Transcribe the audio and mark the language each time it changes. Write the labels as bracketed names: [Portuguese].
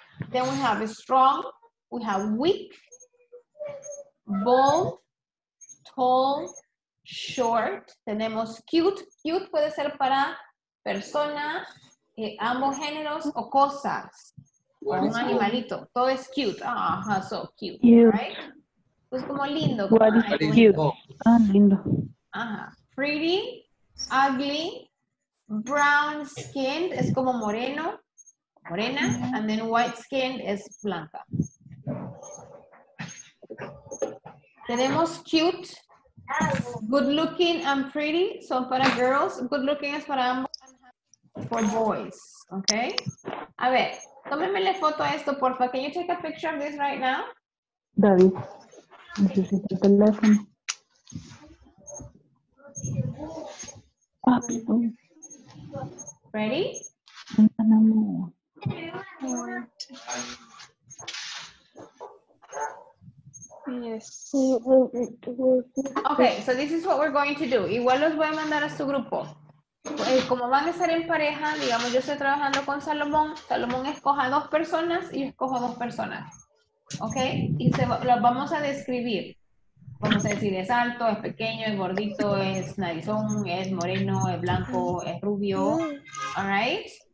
[English] Then we have strong, we have weak, bold, tall, short. [Spanish] Tenemos cute. Cute puede ser para persona, ambos géneros o cosas. Or un animalito. Cute. Todo es cute. [English] Ah, so cute. Right? [Spanish] Es como lindo. [English] What is cute? Ah, lindo. Ajá. Pretty, ugly, brown skinned. [Spanish] Es como moreno. Morena, [English] and then white skin is [Spanish] blanca. Tenemos cute, good looking, and pretty. [English] So para girls, good looking is para ambos, for boys, okay? [Spanish] A ver, tómeme la foto a esto, porfa. [English] Can you take a picture of this right now? [Spanish] David, necesito el teléfono. [English] Ready? Yes. Okay, so this is what we're going to do. [Spanish] Igual los voy a mandar a su grupo. Como van a estar en pareja, digamos, yo estoy trabajando con Salomón. Salomón escoja dos personas y escojo dos personas. Okay? Y los vamos a describir. Vamos a decir, es alto, es pequeño, es gordito, es narizón, es moreno, es blanco, es rubio. All right?